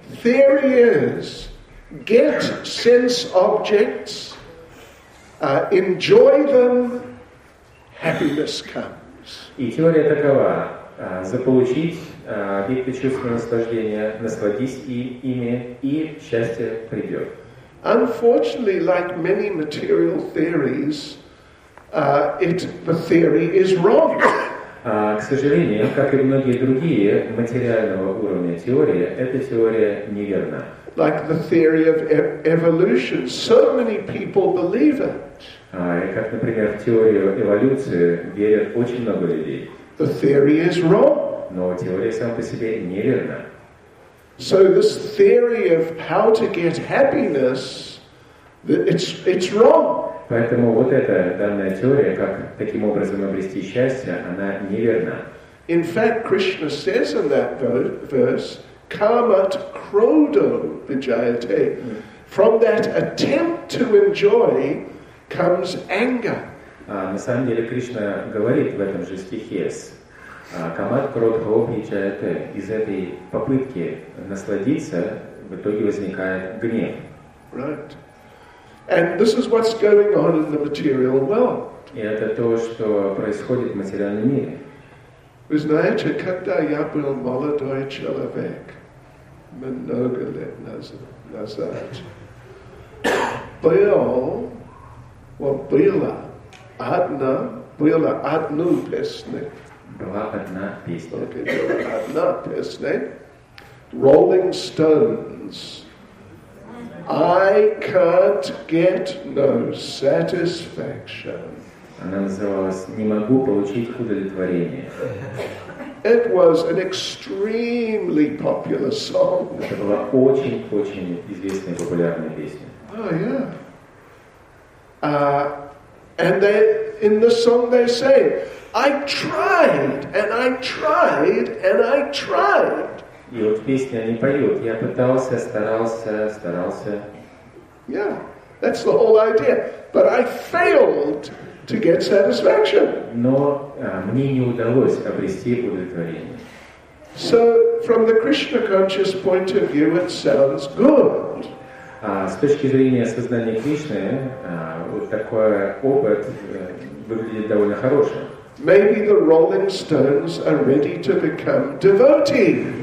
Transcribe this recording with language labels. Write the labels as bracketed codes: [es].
[en] Theory is get sense objects, enjoy them, happiness comes. [ru] И теория такова: заполучить объекты чувственного наслаждения, насладись ими, и счастье придет. [en] Unfortunately, like many material theories, the theory is wrong. [ru] К сожалению, как и многие другие материального уровня теории, эта теория неверна. [en] Like the theory of evolution, so many people believe it. [ru] Как, например, в теорию эволюции верят очень много людей. [en] The theory is wrong. [ru] Но теория сама по себе неверна. [en] So this theory of how to get happiness, it's wrong. [ru] Поэтому вот эта данная теория, как таким образом обрести счастье, она неверна. [en] In fact, Krishna says in that verse, [sa] "Kamat krodo vijayate." [en] From that attempt to enjoy comes anger. [ru] На самом деле Кришна говорит в этом же стихе: [sa] "Kamat krodo vijayate." [ru] Из этой попытки насладиться в итоге возникает гнев. [en] Right. And this is what's going on in the material world. [ru] И это то, что происходит в материальном мире. Вы знаете, когда я был молодой человек, много лет назад, была одна песня. Была одна песня. Okay, была одна песня. Rolling Stones. [en] I can't get no satisfaction. [ru] Она называлась «Не могу получить удовлетворение». [en] It was an extremely popular song. [ru] Это была очень-очень известная, популярная песня. [en] Oh, yeah. And they, in the song they say, I tried. [ru] И вот песня не поет. Я пытался, старался. [en] Yeah, that's the whole idea. But I failed to get satisfaction. [ru] Но мне не удалось обрести удовлетворение. [en] So from the Krishna conscious point of view, it sounds good. [ru] С точки зрения сознания Кришны, вот такой опыт выглядит довольно хорошим. [en] Maybe the Rolling Stones are ready to become devotees.